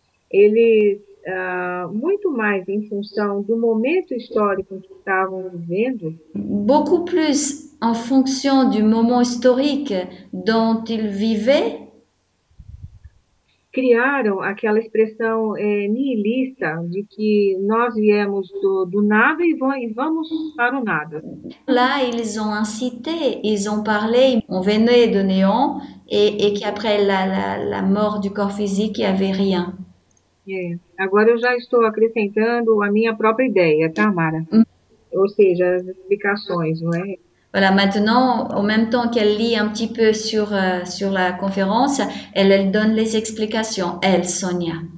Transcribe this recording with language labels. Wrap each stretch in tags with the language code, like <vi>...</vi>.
<pt>Eles, muito mais em função do momento histórico que estavam vivendo.</pt> <fr>Beaucoup plus en fonction du moment historique dont ils vivaient.</fr> <pt>Criaram aquela expressão niilista de que nós viemos do nada e vamos para o nada.</pt> <fr>Là, ils ont incité, ils ont parlé, on venait de néant et qu'après la mort du corps physique, il n'y avait rien.</fr> <pt>Agora eu já estou acrescentando a minha própria ideia, tá, Mara? Ou seja, as explicações, não é?</pt> <fr>Voilà, maintenant, en même temps qu'elle lit un petit peu sur la conférence, elle donne les explications, elle, Sonia.</fr>